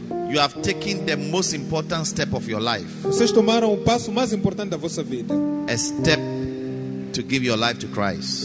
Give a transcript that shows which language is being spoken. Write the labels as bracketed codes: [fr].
[en] You have taken the most important step of your life. [pt] Vocês tomaram o passo mais importante da vossa vida. [en] A step to give your life to Christ.